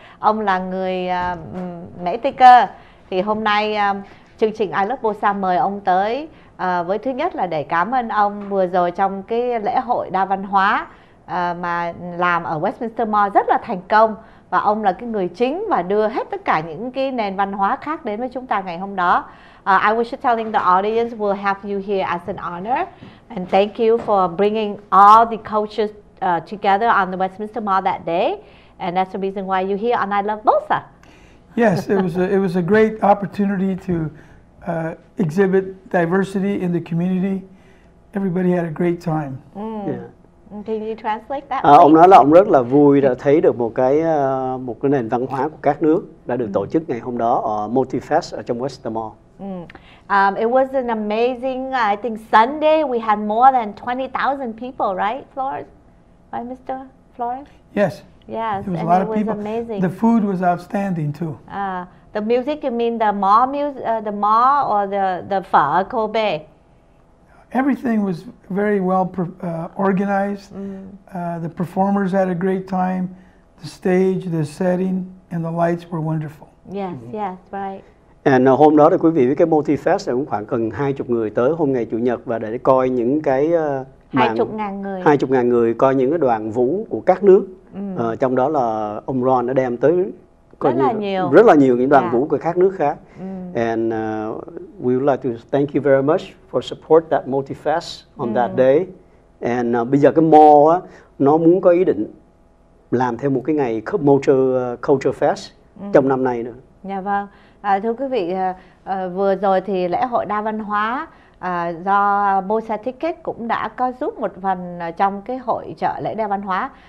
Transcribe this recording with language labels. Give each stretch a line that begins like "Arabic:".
Vietnamese: Ông là người Mỹ Tây Cơ. Thì hôm nay chương trình I Love Bolsa mời ông tới với thứ nhất là để cảm ơn ông vừa rồi trong cái lễ hội đa văn hóa mà làm ở Westminster Mall rất là thành công. Và ông là cái người chính và đưa hết tất cả những cái nền văn hóa khác đến với chúng ta ngày hôm đó.
English: I was just telling the audience we'll have you here as an honor. And thank you for bringing all the cultures together on the Westminster Mall that day. And that's the reason why you're here on I Love Bolsa. Yes, it was a great opportunity to exhibit diversity in the community. Everybody had a great time. Can you translate that?
Vietnamese: Ông nói là ông rất là vui đã thấy được một cái nền văn hóa của các nước đã được tổ chức ngày hôm đó ở Multifest ở trong Western Mall.
English: It was an amazing, I think Sunday we had more than 20,000 people, right, Flores? Right, Mr. Flores? Yes. Yes, it was a lot of people. Amazing. The food was outstanding too. The music, you mean the mall music, the mall or the pho Kobe? Everything was very well organized. The performers had a great time. The stage, the setting, and the lights were wonderful. Yes, yes, right.
Vietnamese: And hôm đó thì quý vị với cái Multifest cũng khoảng gần 20 người tới hôm ngày Chủ nhật và để coi những cái 20.000 người coi những cái đoàn vũ của các nước. Trong đó là ông Ron đã đem tới rất là nhiều những đoàn vũ của các nước khác.
English: And we would like to thank you very much for support that Multifest on that day.
Vietnamese: And bây giờ cái mall á, nó muốn có ý định làm thêm một cái ngày culture fest trong năm nay nữa. Dạ vâng. Thưa quý vị, vừa rồi thì lễ hội đa văn hóa do Bolsa Ticket cũng đã có giúp một phần trong cái hội chợ lễ đa văn hóa.